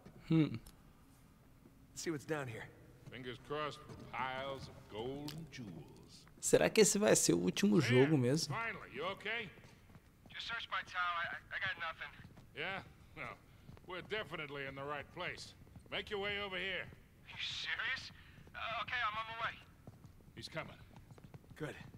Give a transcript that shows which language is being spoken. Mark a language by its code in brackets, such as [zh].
[en] Let's see what's down here. Fingers crossed for piles of gold and jewels. [pt] Será que esse vai ser o último jogo mesmo? [en] Finally, you okay? Just search my towel. I got nothing. Yeah? Well, we're definitely in the right place. Make your way over here. Are you serious? Okay, I'm on my way. He's coming. Good.